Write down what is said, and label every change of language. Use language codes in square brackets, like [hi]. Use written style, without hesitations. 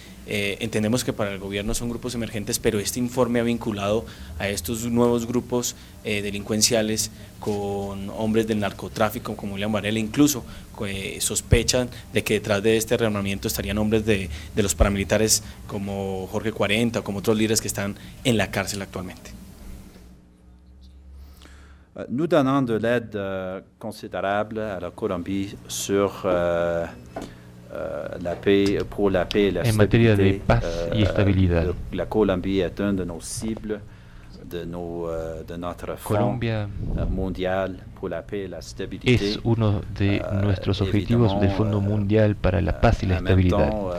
[es] Entendemos que para el gobierno son grupos emergentes, pero este informe ha vinculado a estos nuevos grupos delincuenciales con hombres del narcotráfico como William Varela, incluso sospechan de que detrás de este rearmamiento estarían hombres de los paramilitares como Jorge 40 o como otros líderes que están en la cárcel actualmente. [fr] Nous donnons de l'aide considérable à la Colombie sur la paix, pour la paix et la [es] en materia de paz y estabilidad. La Colombia es una de nuestras cibles, de nuestro Fondo Mundial por la Paz y la Estabilidad. Es uno de nuestros objetivos del Fondo Mundial para la Paz y la Estabilidad.